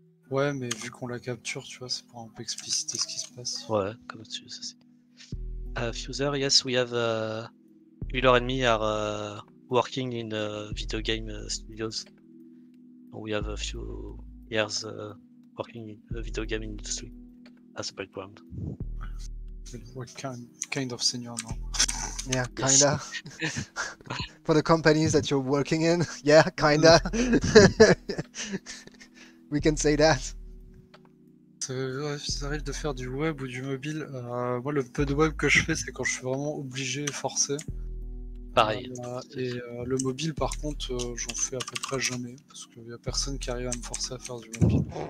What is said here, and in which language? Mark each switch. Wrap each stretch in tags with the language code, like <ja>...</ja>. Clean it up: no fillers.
<fr>Ouais, mais vu qu'on la capture, tu vois, c'est pour un peu expliciter ce qui se passe. Ouais, comme tu veux, ça c'est. Fuser,</fr> <en>yes, we have. Ulor and me are working in video game studios. We have a few years working in video game industry as a background. What kind of senior now? Yeah, kinda. Yes. For the companies that you're working in, yeah, kinda. We can say that.</en> <fr>Ça arrive de faire du web ou du mobile. Moi, le peu de web que je fais, c'est quand je suis vraiment obligé et forcé. Pareil. Le mobile, par contre, j'en fais à peu près jamais. Parce qu'il n'y a personne qui arrive à me forcer à faire du mobile.</fr>